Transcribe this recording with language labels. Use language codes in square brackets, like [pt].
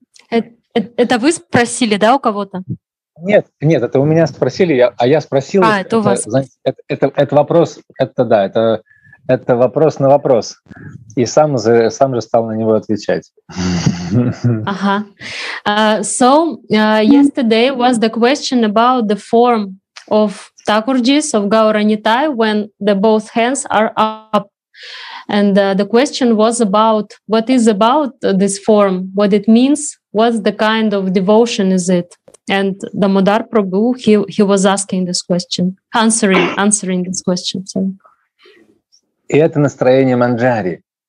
[ru] Это вы спросили, да, у кого-то? Нет, нет, это у меня спросили, а я спросил. А, это у вас. Это вопрос, это да, это... Это вопрос на вопрос. И сам же стал на него отвечать. Ага. [en] So, yesterday was the question about the form of Thakurjis, of Gaura Nitai, when the both hands are up. And the question was about, what is about this form? What it means? What the kind of devotion is it? And Damodar Prabhu, he was asking this question, answering this question. So. [ru] И это настроение Манджари.